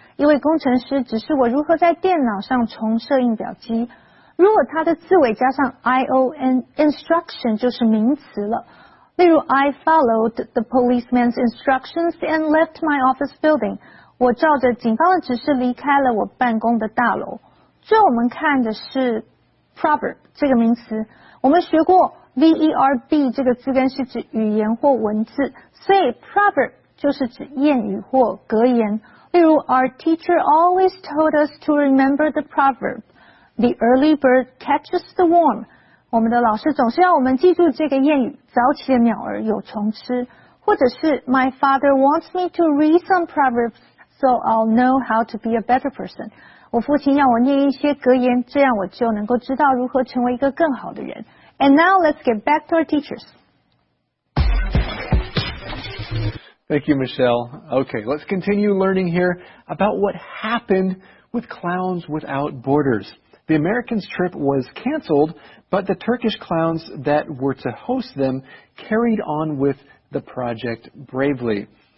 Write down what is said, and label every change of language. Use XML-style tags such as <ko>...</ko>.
<zh>一位工程师指示我如何在电脑上重设印表机。如果它的字尾加上 ion, instruction 就是名词了。例如</zh> <en>,I followed the policeman's instructions and left my office building.</en> <zh>我照着警方的指示离开了我办公的大楼。最后我们看的是 proverb, 这个名词。我们学过 verb 这个字根是指语言或文字，所以 proverb 就是指谚语或格言。例如</zh> <en>，Our teacher always told us to remember the proverb, "The early bird catches the worm."</en> <zh>我们的老师总是要我们记住这个谚语，早起的鸟儿有虫吃。或者是</zh> <en>"My father wants me to read some proverbs, so I'll know how to be a better person."</en> <zh>我父亲要我念一些格言，这样我就能够知道如何成为一个更好的人。</zh> <en>And now let's get back to our teachers. Thank you, Michelle. Okay, let's continue learning here about what happened with Clowns Without Borders. The Americans' trip was canceled, but the Turkish clowns that were to host them carried on with the project bravely.</en>